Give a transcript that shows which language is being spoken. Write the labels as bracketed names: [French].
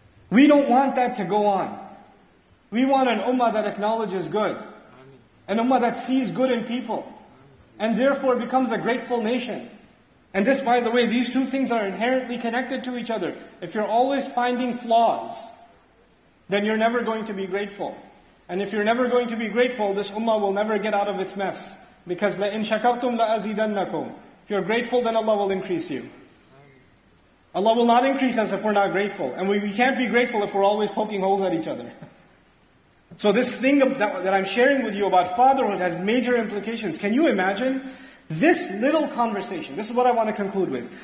[English] We don't want that to go on. We want an ummah that acknowledges good, an ummah that sees good in people, and therefore becomes a grateful nation. And this, by the way, these two things are inherently connected to each other. If you're always finding flaws, then you're never going to be grateful. And if you're never going to be grateful, this ummah will never get out of its mess. Because [Arabic] لَإِن شَكَرْتُمْ لَأَزِيدَنَّكُمْ. [English] If you're grateful, then Allah will increase you. Allah will not increase us if we're not grateful. And we can't be grateful if we're always poking holes at each other. So this thing that I'm sharing with you about fatherhood has major implications. Can you imagine this little conversation? This is what I want to conclude with.